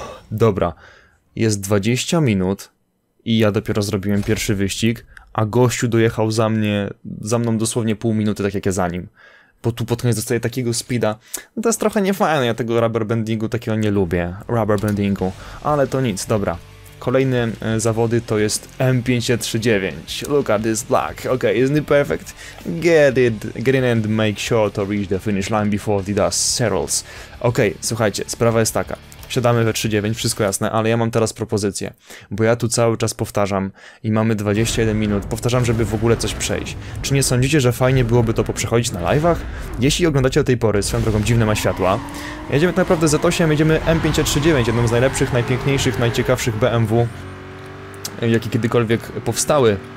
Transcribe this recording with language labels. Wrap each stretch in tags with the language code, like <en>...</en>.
<pl>Dobra, jest 20 minut i ja dopiero zrobiłem pierwszy wyścig, a gościu dojechał za mną dosłownie pół minuty, tak jak ja za nim. Bo tu pod koniec dostaję takiego speeda. No to jest trochę niefajne, ja tego rubber bendingu takiego nie lubię. Rubber bendingu, ale to nic, dobra. Kolejne zawody to jest M539.</pl> <en>Look at this black. Okay, isn't it perfect? Get in and make sure to reach the finish line before the dust settles.</en> <pl>Okay, słuchajcie, sprawa jest taka. Siadamy we 3.9, wszystko jasne, ale ja mam teraz propozycję, bo ja tu cały czas powtarzam i mamy 21 minut, powtarzam, żeby w ogóle coś przejść. Czy nie sądzicie, że fajnie byłoby to poprzechodzić na live'ach? Jeśli oglądacie od tej pory, swoją drogą dziwne ma światła, jedziemy tak naprawdę Z8, jedziemy M539, jedną z najlepszych, najpiękniejszych, najciekawszych BMW, jakie kiedykolwiek powstały.</pl>